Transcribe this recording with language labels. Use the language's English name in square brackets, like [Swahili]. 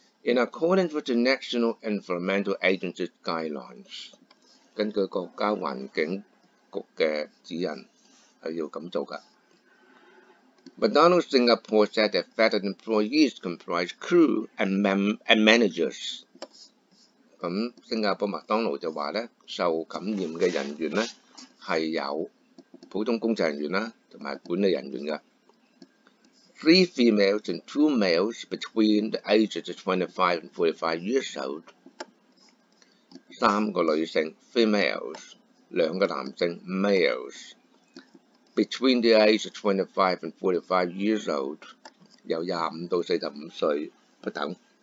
[English] In accordance with the National Environmental Agency's guidelines, [Cantonese] 根據國家環境局嘅指引係要咁做噶。 [English] McDonald's Singapore said that affected employees comprise crew and managers. [Cantonese] 咁新加坡麥當勞就話咧，受感染嘅人員咧係有普通工作人員啦，同埋管理人員噶。 [English] Three females and two males between the ages of 25 and 45 years old. [Cantonese] 三個女性 [English] females, [Cantonese] 兩個男性 [English] males. Between the ages of 25 and 45 years old, [Cantonese] 由25到45歲不等。